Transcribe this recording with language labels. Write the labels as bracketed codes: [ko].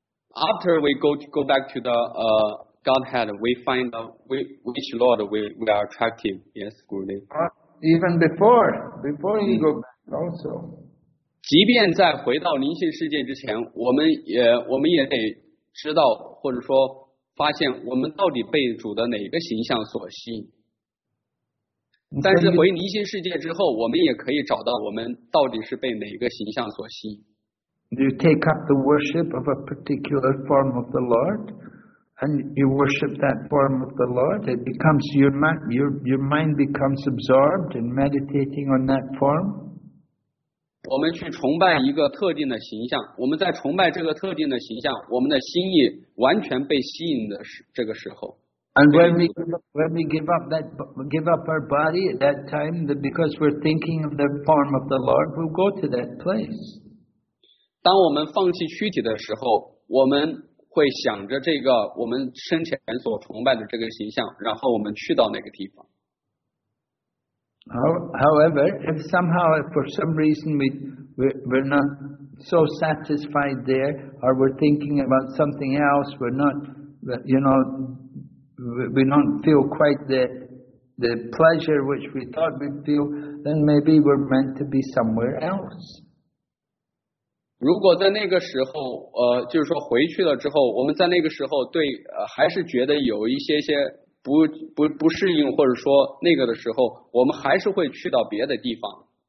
[en] After we go back to the Godhead, we find out which Lord we are attractive. Yes, Guruji. Even before you go back also. [zh] 即便在回到灵性世界之前，我们也得知道或者说发现我们到底被主的哪个形象所吸引。但是回灵性世界之后，我们也可以找到我们到底是被哪个形象所吸引。 [en] You take up the worship of a particular form of the Lord, and you worship that form of the Lord, it becomes your mind becomes absorbed in meditating on that form. [zh] 我们去崇拜一个特定的形象，我们在崇拜这个特定的形象，我们的心意完全被吸引的这个时候。 [en] And when we give up our body at that time, because we're thinking of the form of the Lord, we'll go to that place. [zh] 当我们放弃躯体的时候，我们会想着这个我们生前所崇拜的这个形象，然后我们去到哪个地方。 [en] However, if somehow, if for some reason we're not so satisfied there, or we're thinking about something else, we don't feel quite the pleasure which we thought we'd feel, then maybe we're meant to be somewhere else. [zh] 如果在那个时候，就是说回去了之后，我们在那个时候对，还是觉得有一些些。不适应或者说那个的时候，我们还是会去到别的地方。